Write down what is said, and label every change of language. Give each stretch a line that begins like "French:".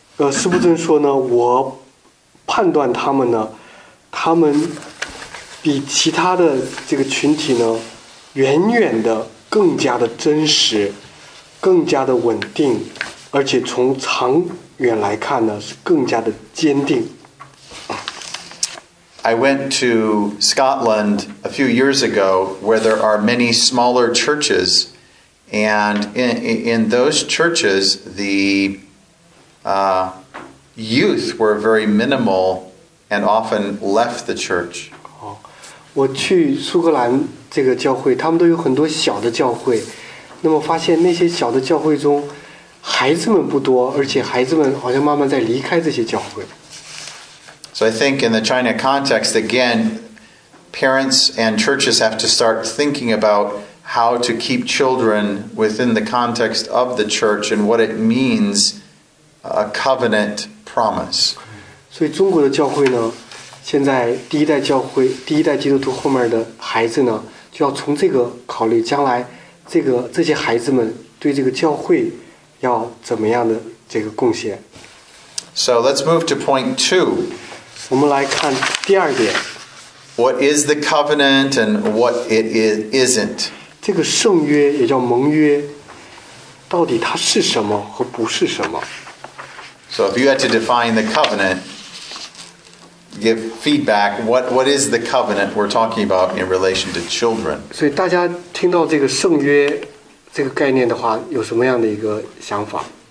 Chinese: 斯布珍说呢，我判断他们呢，他们比其他的这个群体呢，远远的更加的真实，更加的稳定，而且从长远来看呢，是更加的坚定。
English: I went to Scotland a few years ago where there are many smaller churches and in those churches the youth were very minimal and often left the church.
Chinese: 我去苏格兰这个教会，他们都有很多小的教会，那么发现那些小的教会中孩子们不多，而且孩子们好像慢慢在离开这些教会。
English: So I think in the China context, again, parents and churches have to start thinking about how to keep children within the context of the church and what it means, a covenant promise.
Chinese: 所以中国的教会呢，现在第一代教会，第一代基督徒后面的孩子呢，就要从这个考虑将来这个这些孩子们对这个教会要怎么样的这个贡献。
English: So let's move to point two.
Chinese: 我们来看第二点。
English: What is the covenant and what it isn't?
Chinese: 这个圣约也叫盟约，到底它是什么和不是什么？
English: So if you had to define the covenant,give feedback, what is the covenant we're talking about in relation to children?
Chinese: 所以大家听到这个圣约这个概念的话，有什么样的一个想法？